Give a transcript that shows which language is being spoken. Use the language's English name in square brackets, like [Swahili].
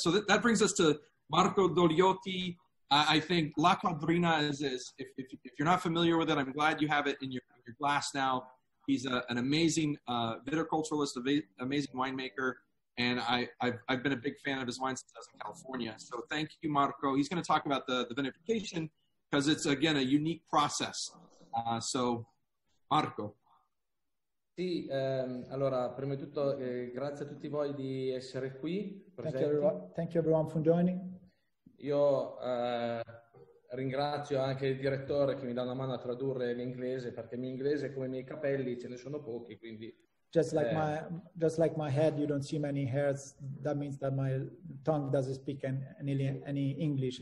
[English] So that brings us to Marco Dogliotti. I think La Caudrina is if you're not familiar with it, I'm glad you have it in your glass now. He's an amazing viticulturalist, amazing winemaker, and I've been a big fan of his wine since I was in California. So thank you, Marco. He's going to talk about the vinification, because it's, again, a unique process. So, Marco. [Italian] Sì, allora, prima di tutto, grazie a tutti voi di essere qui. [English] Thank you everyone for joining. [Italian] Io ringrazio anche il direttore che mi dà una mano a tradurre l'inglese, perché mio inglese, come i miei capelli, ce ne sono pochi, quindi... [English] Just like my head, you don't see many hairs. That means that my tongue doesn't speak any English.